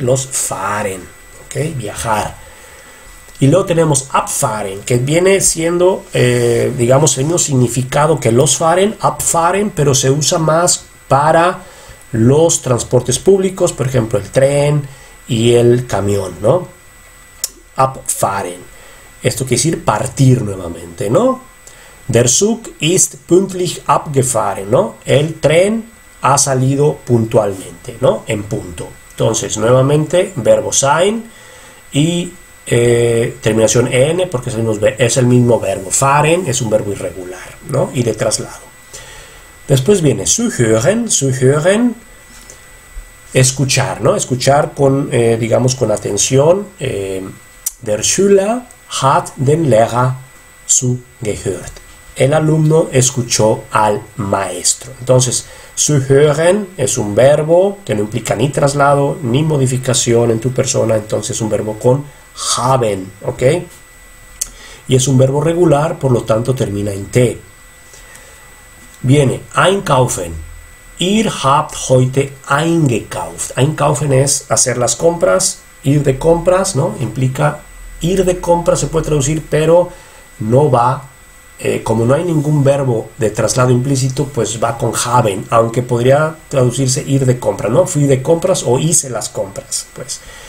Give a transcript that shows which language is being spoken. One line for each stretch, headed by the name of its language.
Spanish: Los fahren, ¿ok? Viajar. Y luego tenemos abfahren, que viene siendo, digamos, el mismo significado que losfahren, abfahren, pero se usa más para los transportes públicos, por ejemplo, el tren y el camión, ¿no? Abfahren. Esto quiere decir partir nuevamente, ¿no?
German: Der Zug ist pünktlich abgefahren, ¿no?
Spanish: El tren ha salido puntualmente, ¿no? En punto. Entonces, nuevamente, verbo sein y terminación en porque es el mismo verbo. Fahren es un verbo irregular, ¿no? Y de traslado. Después viene zuhören, escuchar, ¿no? Escuchar con, digamos, con atención.
German: Der Schüler hat den Lehrer zugehört.
Spanish: El alumno escuchó al maestro. Entonces, zuhören es un verbo que no implica ni traslado ni modificación en tu persona. Entonces, es un verbo con haben, ¿ok? Y es un verbo regular, por lo tanto termina en T. Viene einkaufen.
German: Ihr habt heute eingekauft.
Spanish: Einkaufen es hacer las compras, ir de compras, ¿no? Implica ir de compras, se puede traducir, pero no va, como no hay ningún verbo de traslado implícito, pues va con haben, aunque podría traducirse ir de compras, ¿no? Fui de compras o hice las compras, pues.